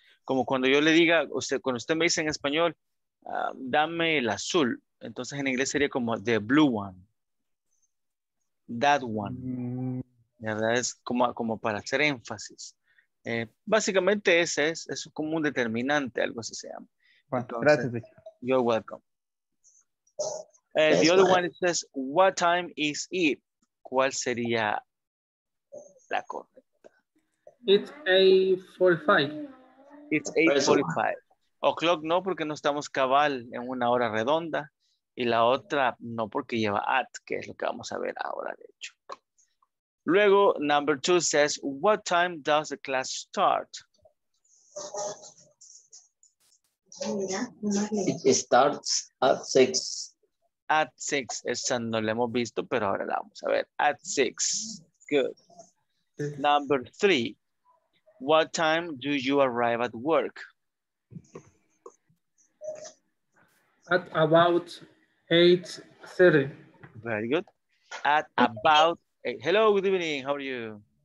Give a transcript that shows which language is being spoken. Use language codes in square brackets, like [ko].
[es] Como cuando yo le diga, cuando usted me dice en español, dame el azul, entonces en inglés sería como [en] the blue one. That one. [es] Mm. ¿Verdad? Es como para hacer énfasis. Básicamente ese es como un determinante, algo así se llama. Entonces, gracias. [en] You're welcome. The other one says, what time is it? [es] ¿Cuál sería la correcta? [en] It's 8:45. It's 8:45. [es] O'clock no, porque no estamos cabal en una hora redonda. Y la otra no, porque lleva at, que es lo que vamos a ver ahora, de hecho. Luego, [en] number two says, what time does the class start? It starts at 6. At 6, [es] esa no la hemos visto, pero ahora la vamos a ver. [en] At 6, good. Number 3, what time do you arrive at work? At about 8:30. Very good. At about 8, hello, good evening, how are you?